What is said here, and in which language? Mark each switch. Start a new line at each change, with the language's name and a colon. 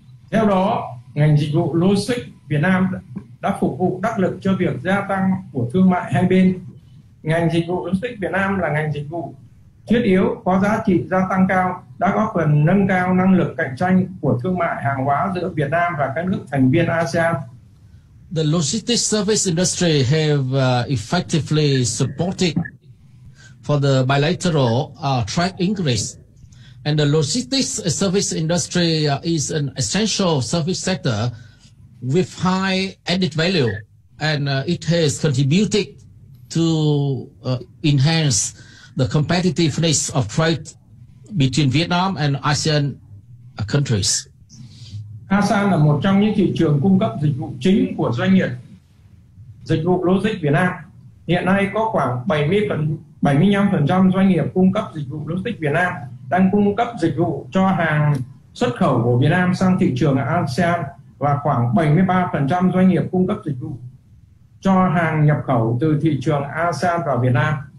Vietnamese: Theo đó, ngành dịch vụ logistics Việt Nam đã phục vụ đắc lực cho việc gia tăng của thương mại hai bên. Ngành dịch vụ logistics Việt Nam là ngành dịch vụ thiết yếu có giá trị gia tăng cao, đã góp phần nâng cao năng lực cạnh tranh của thương mại hàng hóa giữa Việt Nam và các nước thành viên ASEAN.
English: The logistics service industry have effectively supported for the bilateral trade increase. And the logistics service industry is an essential service sector with high added value, and it has contributed to enhance the competitiveness of trade between Vietnam and ASEAN countries.
Vietnamese: ASEAN là một trong những thị trường cung cấp dịch vụ chính của doanh nghiệp dịch vụ logistics Việt Nam. Hiện nay có khoảng 75% doanh nghiệp cung cấp dịch vụ logistics Việt Nam đang cung cấp dịch vụ cho hàng xuất khẩu của Việt Nam sang thị trường ASEAN, và khoảng 73% doanh nghiệp cung cấp dịch vụ cho hàng nhập khẩu từ thị trường ASEAN vào Việt Nam.